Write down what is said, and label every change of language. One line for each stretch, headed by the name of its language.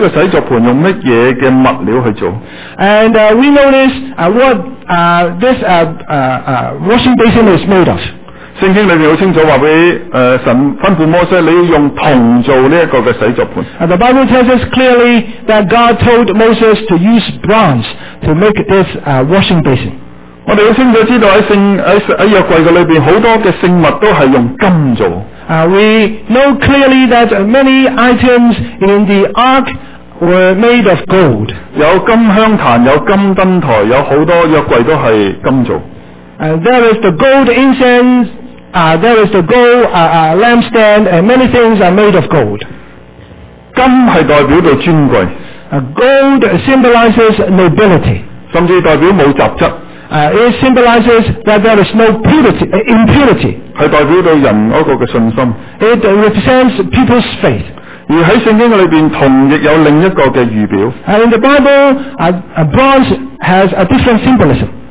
Chinese: 大家如果可以留意到,这个洗濯盆用什么物料去做?
English: And we notice what this washing basin is made of.
Chinese: 圣经里面很清楚告诉神吩咐摩西你要用铜做这个洗濯盆。
English: The Bible tells us clearly that God told Moses to use bronze to make this washing basin.
Chinese: 我们很清楚知道在约柜里面很多的圣物都是用金做。
English: We know clearly that many items in the ark were made of gold.
Chinese: 有金香坛,有金灯台,有很多约柜都是金做。
English: There is the gold incense, there is the gold lampstand, and many things are made of gold.
Chinese: 金是代表尊贵,
English: gold symbolizes nobility.
Chinese: 甚至代表没有杂质,
English: it symbolizes that there is no purity, impurity.
Chinese: 是代表人的信心,
English: it represents people's faith.
Chinese: 而在圣经里面,铜亦有另一个的预表,
English: in the Bible, bronze has a different symbolism.